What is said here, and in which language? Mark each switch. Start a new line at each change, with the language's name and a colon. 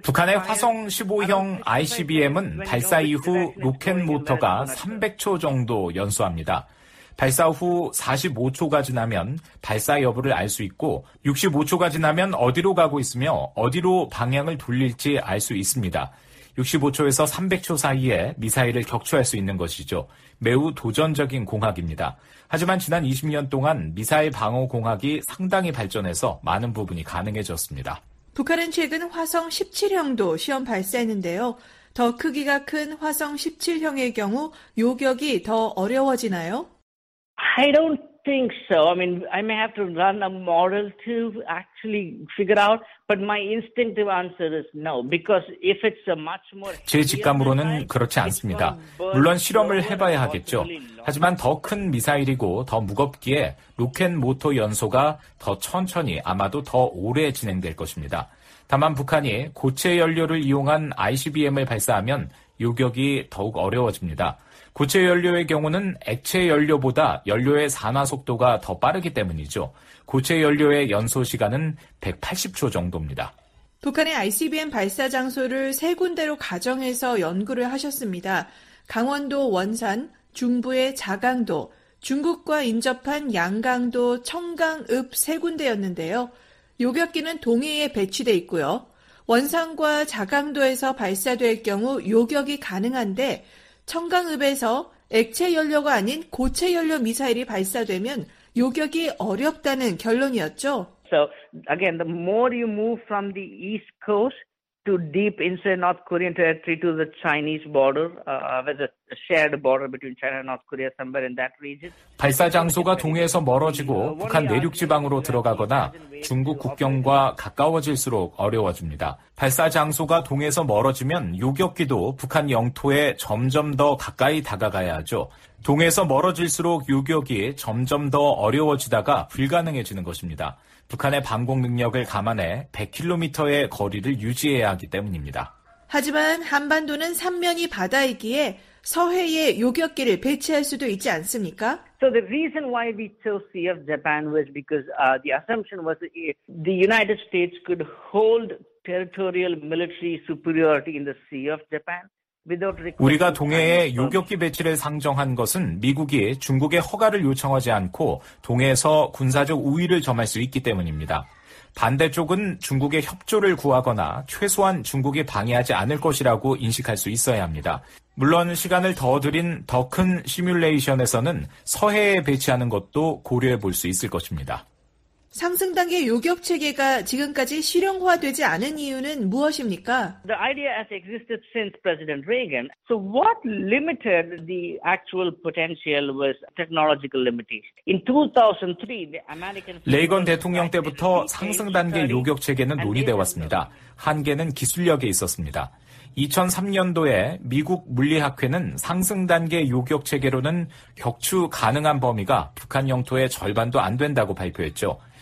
Korean: 북한의 화성 15형 ICBM은 발사 이후 로켓 모터가 300초 정도 연소합니다. 발사 후 45초가 지나면 발사 여부를 알 수 있고 65초가 지나면 어디로 가고 있으며 어디로 방향을 돌릴지 알 수 있습니다. 65초에서 300초 사이에 미사일을 격추할 수 있는 것이죠. 매우 도전적인 공학입니다. 하지만 지난 20년 동안 미사일 방어 공학이 상당히 발전해서 많은 부분이 가능해졌습니다. 북한은 최근 화성 17형도 시험 발사했는데요. 더 크기가 큰 화성 17형의 경우 요격이 더 어려워지나요?
English: I don't think so. I mean, I may have to run a model to actually figure out, but my instinctive answer is no, because if it's a much more
Korean: 제 직감으로는 그렇지 않습니다. 물론 실험을 해봐야 하겠죠. 하지만 더 큰 미사일이고 더 무겁기에 로켓 모터 연소가 더 천천히 아마도 더 오래 진행될 것입니다. 다만 북한이 고체 연료를 이용한 ICBM을 발사하면 요격이 더욱 어려워집니다. 고체 연료의 경우는 액체 연료보다 연료의 산화 속도가 더 빠르기 때문이죠. 고체 연료의 연소 시간은 180초 정도입니다. 북한의 ICBM 발사 장소를 세 군데로 가정해서 연구를 하셨습니다. 강원도 원산, 중부의 자강도, 중국과 인접한 양강도, 청강읍 세 군데였는데요. 요격기는 동해에 배치돼 있고요. 원산과 자강도에서 발사될 경우 요격이 가능한데 청강읍에서 액체 연료가 아닌 고체 연료 미사일이 발사되면 요격이 어렵다는 결론이었죠.
English: So again, the more you move from the east coast to deep inside North Korean territory to the Chinese border, with a shared border between China and North Korea somewhere in that region.
Korean: 발사 장소가 동해에서 멀어지고 북한 내륙 지방으로 들어가거나 중국 국경과 가까워질수록 어려워집니다. 발사 장소가 동해에서 멀어지면 요격기도 북한 영토에 점점 더 가까이 다가가야 하죠. 동해에서 멀어질수록 요격이 점점 더 어려워지다가 불가능해지는 것입니다. 북한의 방공 능력을 감안해 100km의 거리를 유지해야 하기 때문입니다. 하지만 한반도는 삼면이 바다이기에 서해에 요격기를 배치할 수도 있지 않습니까?
English: So the reason why we chose Sea of Japan was because the assumption was the United States could hold territorial military superiority in the Sea of Japan.
Korean: 우리가 동해에 요격기 배치를 상정한 것은 미국이 중국의 허가를 요청하지 않고 동해에서 군사적 우위를 점할 수 있기 때문입니다. 반대쪽은 중국의 협조를 구하거나 최소한 중국이 방해하지 않을 것이라고 인식할 수 있어야 합니다. 물론 시간을 더 들인 더 큰 시뮬레이션에서는 서해에 배치하는 것도 고려해 볼 수 있을 것입니다. 상승 단계 요격 체계가 지금까지 실용화되지 않은 이유는 무엇입니까?
English: The idea has existed since President Reagan. So what limited the actual potential was technological limitation. In 2003, the American
Korean: 레이건 대통령 때부터 상승 단계 요격 체계는 논의돼 왔습니다. 한계는 기술력에 있었습니다. 2003년도에 미국 물리학회는 상승 단계 요격 체계로는 격추 가능한 범위가 북한 영토의 절반도 안 된다고 발표했죠.